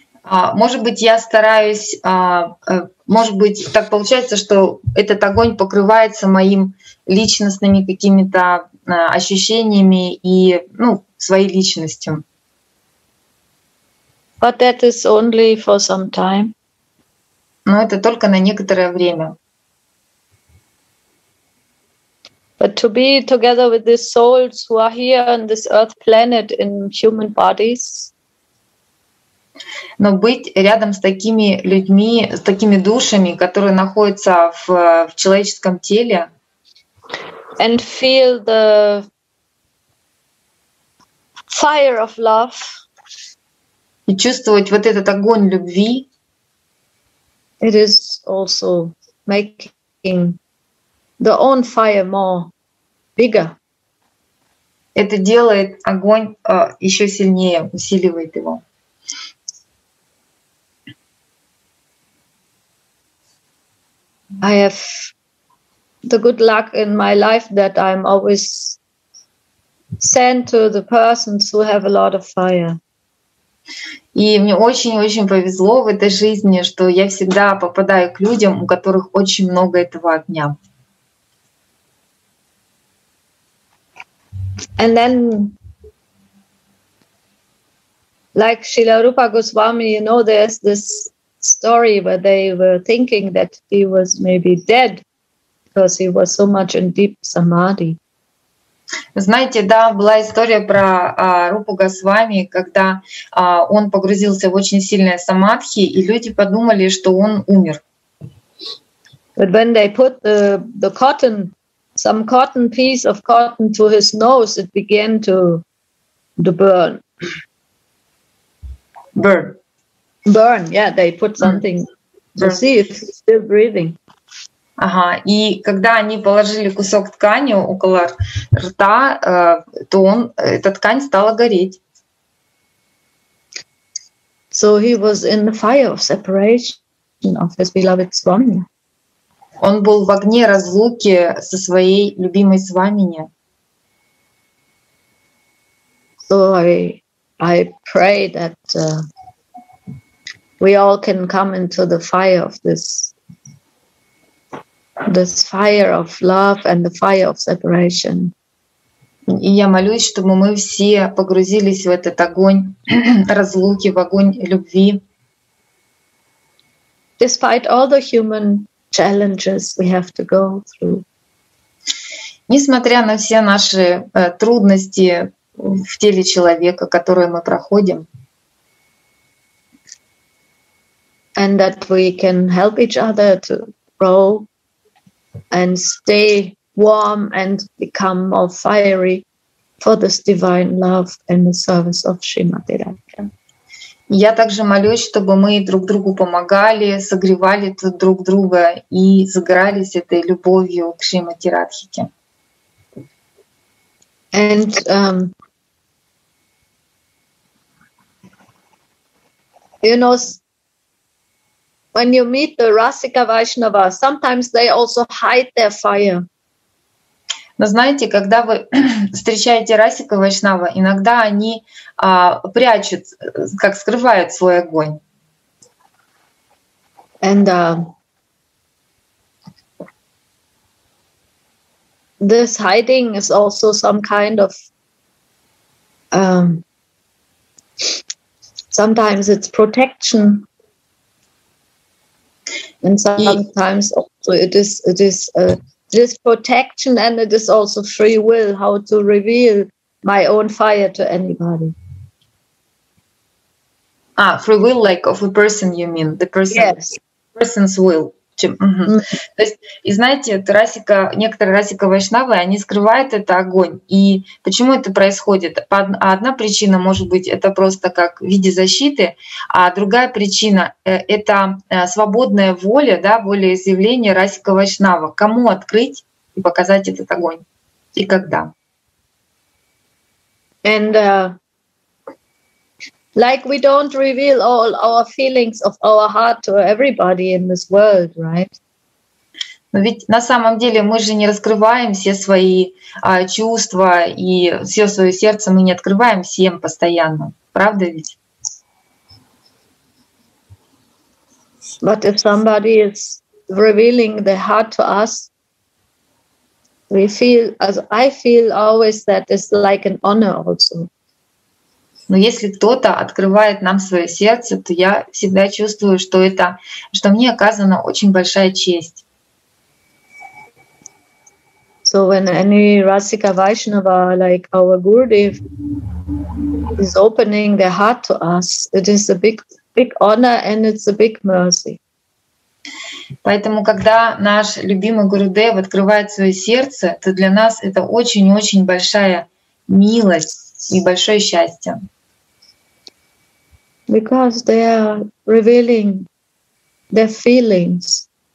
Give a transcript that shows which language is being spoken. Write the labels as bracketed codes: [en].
[ru] Может быть, я стараюсь, может быть, так получается, что этот огонь покрывается моим личностными какими-то ощущениями и, ну, своей личностью. [en] But that is only for some time. [ru] Но это только на некоторое время. [en] But to be together with these souls who are here on this earth planet in human bodies. [ru] Но быть рядом с такими людьми, с такими душами, которые находятся в человеческом теле. [en] And feel the fire of love. [ru] И чувствовать вот этот огонь любви. [en] it is also making the own fire more bigger. [ru] Это делает огонь еще сильнее, усиливает его. [en] I have the good luck in my life that I'm always sent to the persons who have a lot of fire. [ru] И мне очень-очень повезло в этой жизни, что я всегда попадаю к людям, у которых очень много этого огня. [en] And then, like Srila Rupa Goswami, you know, there's this story where they were thinking that he was maybe dead because he was so much in deep samadhi. [ru] Знаете, да, была история про Рупу Госвами, когда он погрузился в очень сильное самадхи, и люди подумали, что он умер. [en] But when they put the cotton, some cotton piece of cotton to his nose, it began to burn. Burn. Burn, yeah, they put something to see if he's still breathing. [ru] Ага, и когда они положили кусок ткани около рта, то он, эта ткань стала гореть. [en] So he was in the fire of separation of his beloved Swami. [ru] Он был в огне разлуки со своей любимой Свамини. [en] So I pray that we all can come into the fire of this fire of love and the fire of separation. [ru] И я молюсь, чтобы мы все погрузились в этот огонь разлуки, в огонь любви. [en] Despite all the human challenges we have to go through. [ru] Несмотря на все наши трудности в теле человека, которые мы проходим. [en] And that we can help each other to grow and stay warm and become more fiery for this divine love and the service of Srimati Radhika. [ru] Я также молюсь, чтобы мы друг другу помогали, согревали друг друга и загорались этой любовью к Шримати Радхике. [en] And you know, when you meet the Rasika Vaishnava, sometimes they also hide their fire. [ru] Но знаете, когда вы встречаете Расика Вайшнава, иногда они прячут, как скрывают свой огонь. [en] And this hiding is also some kind of sometimes it's protection. And sometimes also it is protection and it is also free will how to reveal my own fire to anybody. Ah, free will like of a person, you mean? The person, yes. Person's will. [ru] То есть, и знаете, Расика, некоторые Расика Вайшнавы, они скрывают это огонь. И почему это происходит? Одна причина может быть это просто как в виде защиты, а другая причина это свободная воля, да, волеизъявление Расика Вайшнава. Кому открыть и показать этот огонь? И когда? [en] And like we don't reveal all our feelings of our heart to everybody in this world, right? [ru] Но ведь на самом деле мы же не раскрываем все свои чувства и все свое сердце мы не открываем всем постоянно, правда ведь? [en] But if somebody is revealing their heart to us, we feel, as I feel always, that it's like an honor also. [ru] Но если кто-то открывает нам свое сердце, то я всегда чувствую, что это, что мне оказана очень большая честь. [en] So when any Rasika Vaishnava, like our Gurudev, is opening their heart to us, it is a big, big honor and it's a big mercy. [ru] Поэтому, когда наш любимый Гурудев открывает свое сердце, то для нас это очень-очень большая милость и большое счастье. [en] Because they are revealing the feelings.